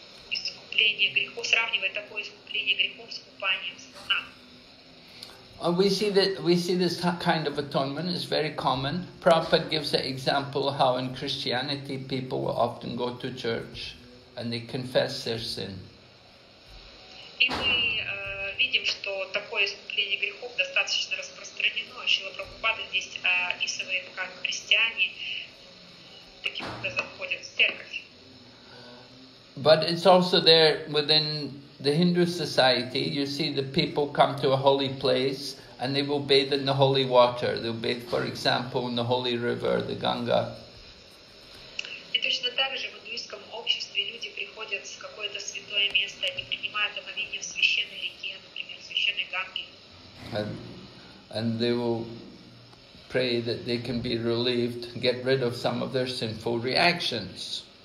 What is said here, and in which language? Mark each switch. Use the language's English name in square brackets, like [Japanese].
[Russian] искупление грехов, сравнивает такое искупление грехов с купанием с луна. [English] And we see that we see this kind of atonement is very common. Prabhupada gives an example how in Christianity people will often go to church and they confess their sin. [Russian] И мы видим, что такое искупление грехов достаточно распространено. Шрила Прабхупада здесь описывает, как христиане таким образом ходят в церковь. [English] But it's also there within the Hindu society, you see the people come to a holy place and they will bathe in the holy water. They'll bathe, for example, in the holy river, the Ganga. [Russian] И точно так же в индуистском обществе люди приходят в какое-то святое место, они принимают омовение в священной реке, например, в священной Ганге. [English] And they will pray that they can be relieved, get rid of some of their sinful reactions.